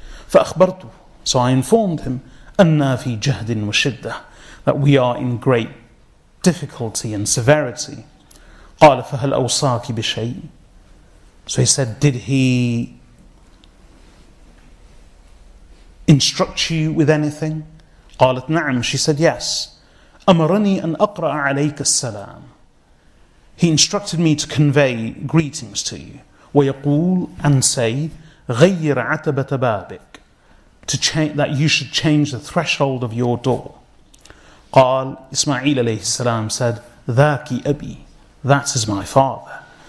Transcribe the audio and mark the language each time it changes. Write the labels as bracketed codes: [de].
[ar] فَأَخْبَرْتُهُ. [en] So I informed him, [ar] أَنَّا فِي جَهْدٍ وَشِدَّةٍ, [en] that we are in great difficulty and severity. [ar] قَالَ فَهَلْ أَوْصَاكِ بِشَيْءٍ. [en] So he said, did he instruct you with anything? [ar] قَالَتْ نَعَمْ, [en] she said, yes. [ar] أَمَرَنِي أَنْ أَقْرَأَ عَلَيْكَ السَّلَامِ. [en] He instructed me to convey greetings to you. [ar] وَيَقُولُ, [en] and say, [ar] غَيِّرْ عَتَبَةَ بَابِكَ, [en] to change, that you should change the threshold of your door. قال, إسماعيل عليه السلام said, [ar] ذَاكِ أَبِي, [en] that is my father.